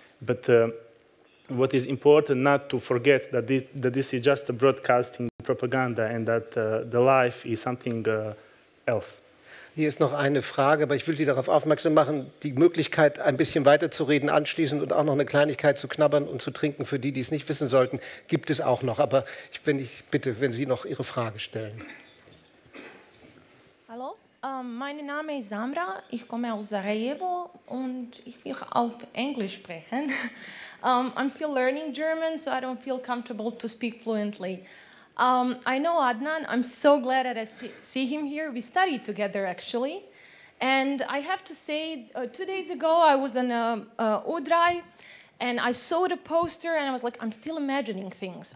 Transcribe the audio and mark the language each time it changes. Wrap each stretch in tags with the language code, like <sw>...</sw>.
<en>But what is important not to forget that this is just a broadcasting propaganda and that the life is something else.</en> <de>Hier ist noch eine Frage, aber ich will Sie darauf aufmerksam machen, die Möglichkeit, ein bisschen weiterzureden anschließend und auch noch eine Kleinigkeit zu knabbern und zu trinken für die, die es nicht wissen sollten, gibt es auch noch. Aber ich bitte, wenn Sie noch Ihre Frage stellen. Hallo? Mein Name ist Samra, ich komme aus Sarajevo und ich will auf Englisch sprechen.</de> <en>I'm still learning German, so I don't feel comfortable to speak fluently. I know Adnan, I'm so glad that I see him here. We studied together, actually. And I have to say, 2 days ago I was on Udraj and I saw the poster and I was like, I'm still imagining things.</en>